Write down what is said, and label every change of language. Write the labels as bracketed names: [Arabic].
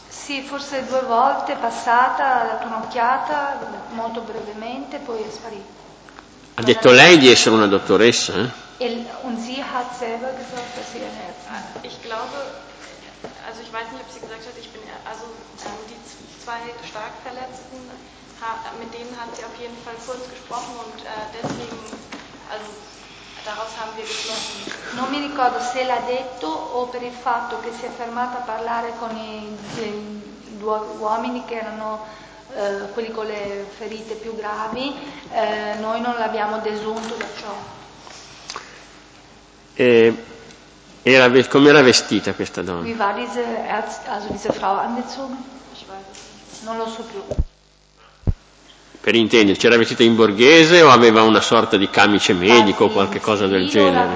[Italian] Sì, forse due volte passata, ha dato un'occhiata molto brevemente, poi è sparita. Ha detto lei di essere una dottoressa? [German] Und sie hat selber gesagt, dass sie ein Arzt ist. Ich glaube, also ich weiß nicht, ob sie gesagt hat, ich bin, also die zwei stark Verletzten, mit denen hat sie auf jeden Fall kurz gesprochen und deswegen, also daraus haben wir geschlossen. [Italian] Non mi ricordo se l'ha detto o per il fatto che si è fermata a parlare con i due uomini che erano quelli con le ferite più gravi, noi non l'abbiamo desunto da ciò. Come era vestita questa donna? Wie war diese Frau angezogen? Non lo so più. Per intenderci, era vestita in borghese o aveva una sorta di camice medico o qualche cosa del genere?